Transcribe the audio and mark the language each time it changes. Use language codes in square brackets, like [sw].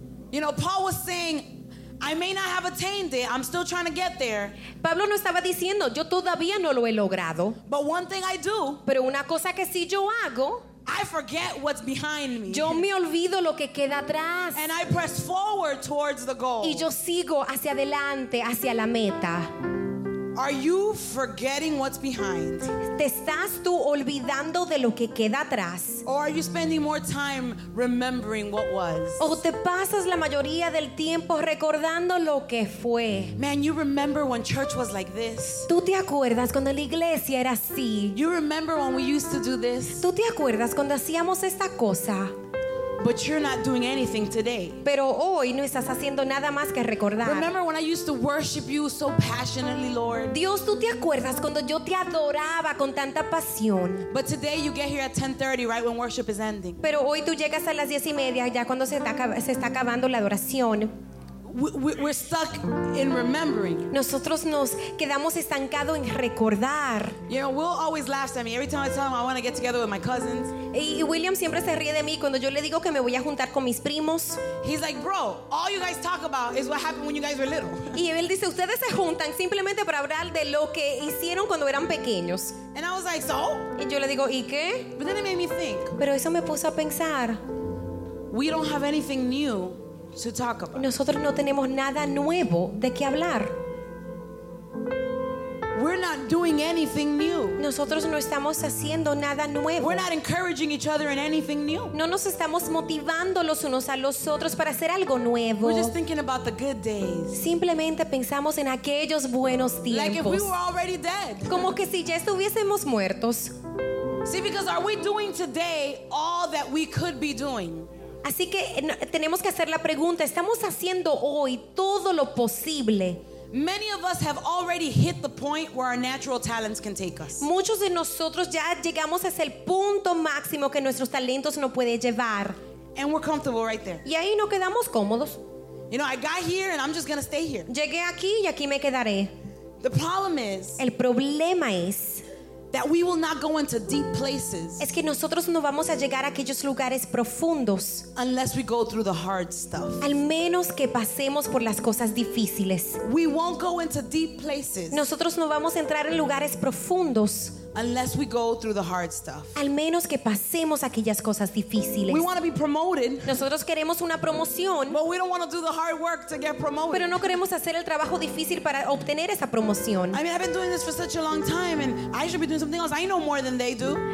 [en] You know, Paul was saying, I may not have attained it. I'm still trying to get there. [es] Pablo no estaba diciendo, yo todavía no lo he logrado. [en] But one thing I do. [es] Pero una cosa que sí yo hago. [en] I forget what's behind me. [es] Yo me olvido lo que queda atrás. [en] And I press forward towards the goal. [es] Y yo sigo hacia adelante, hacia la meta. [en] Are you forgetting what's behind? [es] ¿Te estás tú olvidando de lo que queda atrás? [en] Or are you spending more time remembering what was? [es] ¿O te pasas la mayoría del tiempo recordando lo que fue? [en] Man, you remember when church was like this? [es] ¿Tú te acuerdas cuando la iglesia era así? [en] You remember when we used to do this? [es] ¿Tú te acuerdas cuando hacíamos esta cosa? [en] But you're not doing anything today. [es] Pero hoy no estás haciendo nada más que recordar. [en] Remember when I used to worship you so passionately, Lord? [es] Dios, ¿tú te acuerdas cuando yo te adoraba con tanta pasión? [en] But today you get here at 10:30, right when worship is ending. [es] Pero hoy tú llegas a las 10:30 ya cuando se está acabando la adoración. [en] We're stuck in remembering. [es] Nosotros nos quedamos estancados en recordar. [en] You know, Will always laughs at me every time I tell him I want to get together with my cousins. [es] Y William siempre se ríe de mí cuando yo le digo que me voy a juntar con mis primos. [en] He's like, bro, all you guys talk about is what happened when you guys were little. [es] Y él dice, ustedes se juntan simplemente para hablar de lo que hicieron cuando eran pequeños. [en] And I was like, so? [es] Y yo le digo, ¿y qué? [en] But then it made me think. [es] Pero eso me puso a pensar. [en] We don't have anything new to talk about. [es] Nosotros no tenemos nada nuevo de qué hablar. [en] We're not doing anything new. [es] Nosotros no estamos haciendo nada nuevo. [en] We're not encouraging each other in anything new. [es] No nos estamos motivando los unos a los otros para hacer algo nuevo. [en] We're just thinking about the good days. [es] Simplemente pensamos en aquellos buenos tiempos. [en] Like if we were already dead. [es] Como que si ya estuviésemos muertos. [en] See, because are we doing today all that we could be doing? [es] Así que tenemos que hacer la pregunta, ¿estamos haciendo hoy todo lo posible? [en] Many of us have already hit the point where our natural talents can take us. [es] Muchos de nosotros ya llegamos hasta el punto máximo que nuestros talentos nos puede llevar. [en] And we're comfortable right there. [es] Y ahí no quedamos cómodos. [en] You know, I got here and I'm just going to stay here. [es] Llegué aquí y aquí me quedaré. [en] The problem is, [es] el problema es [en] that we will not go into deep places. [es] Es que nosotros no vamos a llegar a aquellos lugares profundos. [en] Unless we go through the hard stuff. [es] Al menos que pasemos por las cosas difíciles. [en] We won't go into deep places. [es] Nosotros no vamos a entrar en lugares profundos. [en] unless we go through the hard stuff. [es] Al menos que pasemos aquellas cosas difíciles. [en] We want to be promoted. [es] Nosotros queremos una promoción. [en] But we don't want to do the hard work to get promoted. [es] Pero no queremos hacer el trabajo difícil para obtener esa promoción. [en] I mean, I've been doing this for such a long time, and I should be doing something else. I know more than they do.